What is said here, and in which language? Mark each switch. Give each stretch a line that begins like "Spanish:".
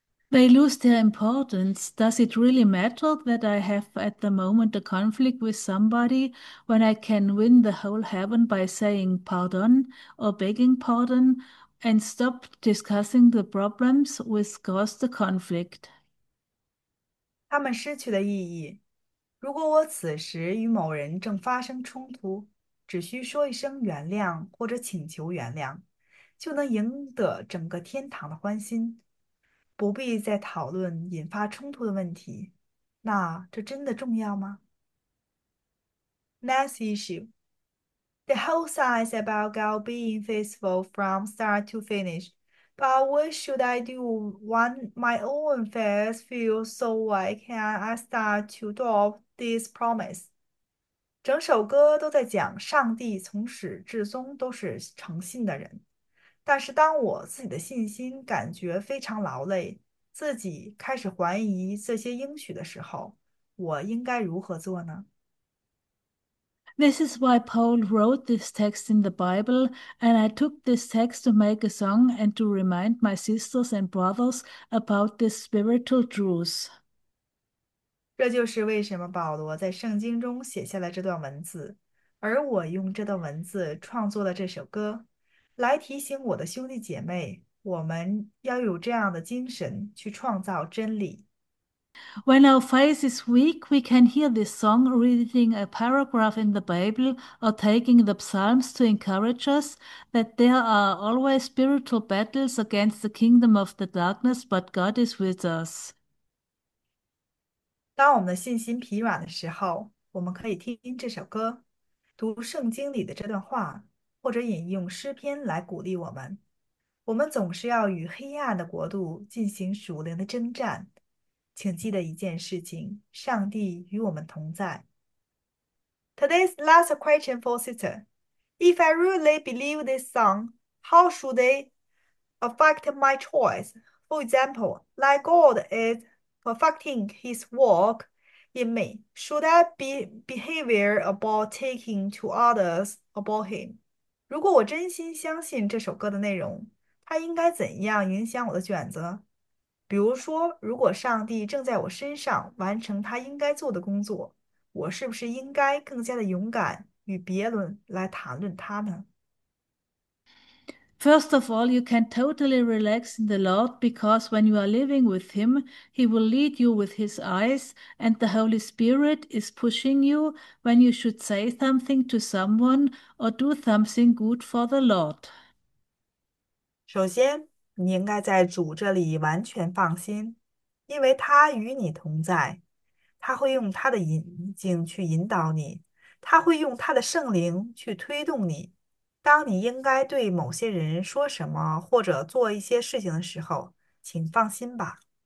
English: They lose their importance. Does it really matter that I have at the moment a conflict with somebody when I can win the whole heaven by saying pardon or begging pardon and stop discussing the problems which caused the conflict?
Chinese: 他们失去了意义。如果我此时与某人正发生冲突，只需说一声原谅或者请求原谅，就能赢得整个天堂的欢心，不必再讨论引发冲突的问题。那这真的重要吗？
English: Next issue. The whole science about God being faithful from start to finish. But what should I do when my own faith feels so weak and I start to doubt this promise?
Chinese: 整首歌都在讲上帝从始至终都是诚信的人，但是当我自己的信心感觉非常劳累，自己开始怀疑这些应许的时候，我应该如何做呢？
English: This is why Paul wrote this text in the Bible, and I took this text to make a song and to remind my sisters and brothers about this spiritual truth.
Chinese: 这就是为什么保罗在圣经中写下了这段文字，而我用这段文字创作了这首歌，来提醒我的兄弟姐妹，我们要有这样的精神去创造真理。
English: When our faith is weak, we can hear this song, reading a paragraph in the Bible, or taking the Psalms to encourage us that there are always spiritual battles against the kingdom of the darkness, but God is with us.
Chinese: 当我们的信心疲软的时候，我们可以听这首歌，读圣经里的这段话，或者引用诗篇来鼓励我们。我们总是要与黑暗的国度进行属灵的征战。请记得一件事情：上帝与我们同在。
English: Today's last question for sister: If I really believe this song, how should it affect my choice? For example, like God is perfecting His work in me, should I be behavior about taking to others about Him?
Chinese: 如果我真心相信这首歌的内容，它应该怎样影响我的选择？比如说，如果上帝正在我身上完成他应该做的工作，我是不是应该更加的勇敢与别人来谈论他呢？
English: First of all, you can totally relax in the Lord because when you are living with Him, He will lead you with His eyes, and the Holy Spirit is pushing you when you should say something to someone or do something good for the Lord.
Chinese: 首先，你应该在主这里完全放心，因为他与你同在，他会用他的眼睛去引导你，他会用他的圣灵去推动你。当你应该对某些人说什么或者做一些事情的时候，请放心吧。